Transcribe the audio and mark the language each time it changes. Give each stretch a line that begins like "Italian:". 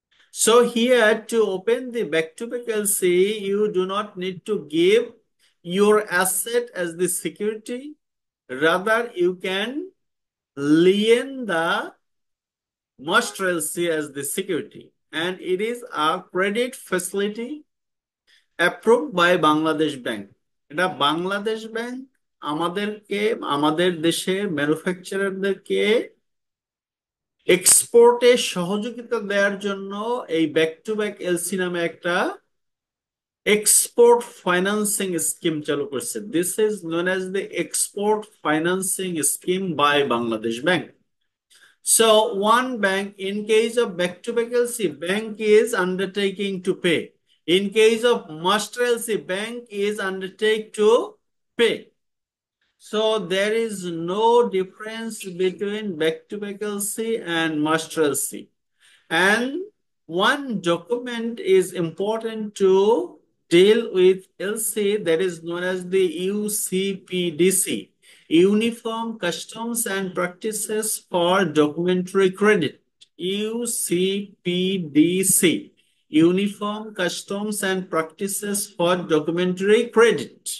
English: So here to open the back-to-back LC, you do not need to give your asset as the security. Rather, you can lien the master LC as the security. And it is a credit facility approved by Bangladesh Bank.
Bangla: And a Bangladesh Bank, আমাদেরকে আমাদের দেশের ম্যানুফ্যাকচারারদেরকে এক্সপোর্টে সহযোগিতা দেওয়ার জন্য এই back to back LC নামে একটা export financing scheme চালু করছে।
English: This is known as the export financing scheme by Bangladesh bank. So one bank in case of back to back LC bank is undertaking to pay, in case of master LC bank is undertake to pay. So there is no difference between back-to-back LC and master LC. And one document is important to deal with LC that is known as the UCPDC, Uniform Customs and Practices for Documentary Credit, UCPDC, Uniform Customs and Practices for Documentary Credit.